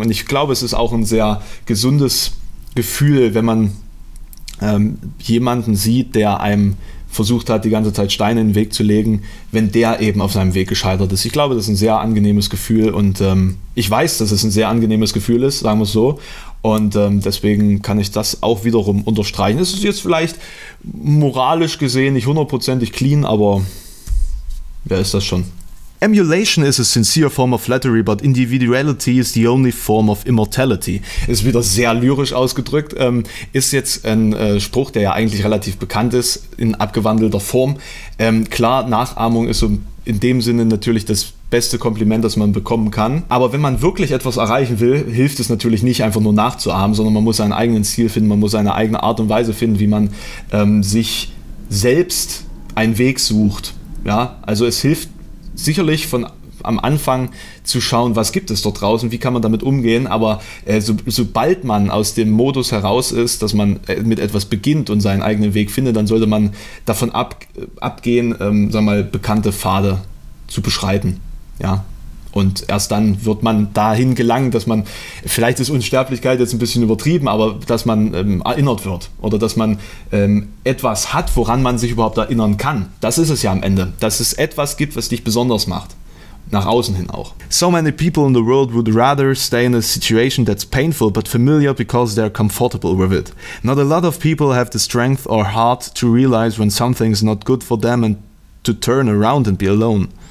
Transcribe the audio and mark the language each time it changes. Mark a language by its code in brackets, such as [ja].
[de] Und ich glaube, es ist auch ein sehr gesundes Gefühl, wenn man jemanden sieht, der einem versucht hat, die ganze Zeit Steine in den Weg zu legen, wenn der eben auf seinem Weg gescheitert ist. Ich glaube, das ist ein sehr angenehmes Gefühl und ich weiß, dass es ein sehr angenehmes Gefühl ist, sagen wir es so. Und deswegen kann ich das auch wiederum unterstreichen. Es ist jetzt vielleicht moralisch gesehen nicht hundertprozentig clean, aber wer ist das schon? [en] Emulation is a sincere form of flattery, but individuality is the only form of immortality. [de] Ist wieder sehr lyrisch ausgedrückt. Ist jetzt ein Spruch, der ja eigentlich relativ bekannt ist, in abgewandelter Form. Klar, Nachahmung ist so in dem Sinne natürlich das beste Kompliment, das man bekommen kann. Aber wenn man wirklich etwas erreichen will, hilft es natürlich nicht, einfach nur nachzuahmen, sondern man muss seinen eigenen Stil finden, man muss seine eigene Art und Weise finden, wie man sich selbst einen Weg sucht. Ja, also es hilft sicherlich von am Anfang zu schauen, was gibt es dort draußen, wie kann man damit umgehen, aber sobald man aus dem Modus heraus ist, dass man mit etwas beginnt und seinen eigenen Weg findet, dann sollte man davon abgehen, sag mal, bekannte Pfade zu beschreiten. Ja. Und erst dann wird man dahin gelangen, dass man, vielleicht ist Unsterblichkeit jetzt ein bisschen übertrieben, aber dass man erinnert wird oder dass man etwas hat, woran man sich überhaupt erinnern kann. Das ist es ja am Ende, dass es etwas gibt, was dich besonders macht, nach außen hin auch. [en] So many people in the world would rather stay in a situation that's painful but familiar because they're comfortable with it. Not a lot of people have the strength or heart to realize when something's not good for them and to turn around and be alone.